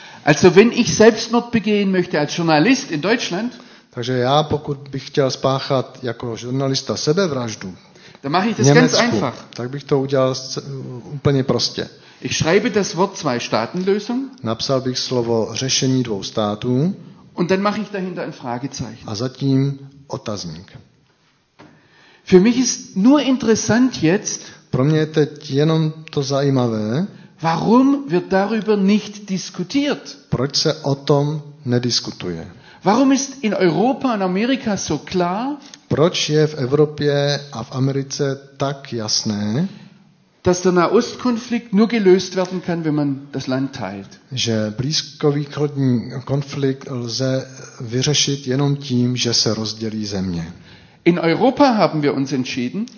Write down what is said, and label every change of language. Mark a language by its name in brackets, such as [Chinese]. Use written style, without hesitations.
[German] Also, wenn ich Selbstmord begehen möchte als Journalist in Deutschland, [Czech] takže já, pokud bych chtěl spáchat jako žurnalista sebevraždu, [German] dann mache ich das ganz einfach. [Czech] Tak bych to udělal úplně prostě. [German] Ich schreibe das Wort Zwei-Staaten-Lösung. [Czech] Napsal bych slovo řešení dvou států. [German] Und dann mache ich dahinter ein Fragezeichen. [Czech] A zatím otazník. [German] Für mich ist nur interessant jetzt. [Czech] Pro mě je teď jenom to zajímavé. [German] Warum wird darüber nicht diskutiert? [Czech] Proč se o tom nediskutuje? [German] Warum ist in Europa und Amerika so klar? [Czech] Proč je v Evropě a v Americe tak jasné? [German] Dass der Nahostkonflikt nur gelöst werden kann, wenn man das Land teilt. [Czech] Že blízkovýchodní konflikt lze vyřešit jenom tím, že se rozdělí země. [German] In Europa haben wir uns entschieden,